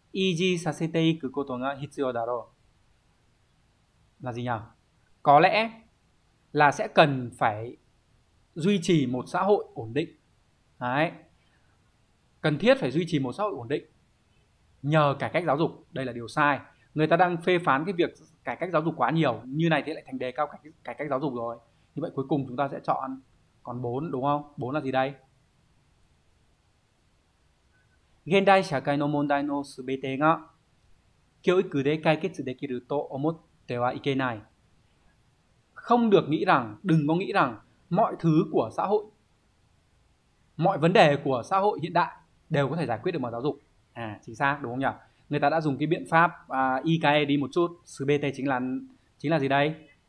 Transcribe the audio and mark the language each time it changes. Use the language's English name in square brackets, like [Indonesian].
[Japanese] 教育の改革によって安定した社会を維持させていくことが必要だろう. [Vietnamese] Là gì nhỉ? Có lẽ là sẽ cần phải duy trì một xã hội ổn định. Đấy. Cần thiết phải duy trì một xã hội ổn định nhờ cải cách giáo dục. Đây là điều sai. Người ta đang phê phán cái việc cải cách giáo dục quá nhiều. Như này thì lại thành đề cao cải cách giáo dục rồi. Như vậy cuối cùng chúng ta sẽ chọn còn 4, đúng không? 4 là gì đây? [Japanese] 現代社会の問題のすべてが教育で解決できると思ってはいけない。 [Vietnamese] Không được nghĩ rằng, đừng có nghĩ rằng mọi thứ của xã hội, mọi vấn đề của xã hội hiện đại đều có thể giải quyết được bằng giáo dục. À, chính xác, đúng không nhỉ? Người ta đã dùng cái biện pháp IKE đi một chút. Sự BT chính là gì đây?